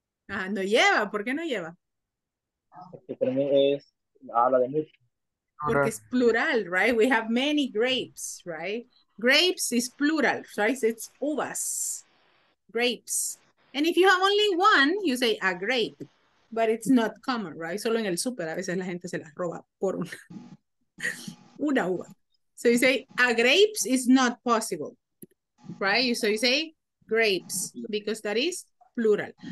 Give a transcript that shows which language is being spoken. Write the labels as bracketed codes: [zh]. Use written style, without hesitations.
[es] Ah, no lleva. ¿Por qué no lleva? Porque para mí es, habla de mucho. Porque es plural, [en] right? We have many grapes, right? Grapes is plural, right? So it's uvas, grapes. And if you have only one, you say a grape. But it's not common, right? [es] Solo en el súper a veces la gente se las roba por una uva. [en] So you say, a grapes is not possible, right? So you say grapes, because that is plural.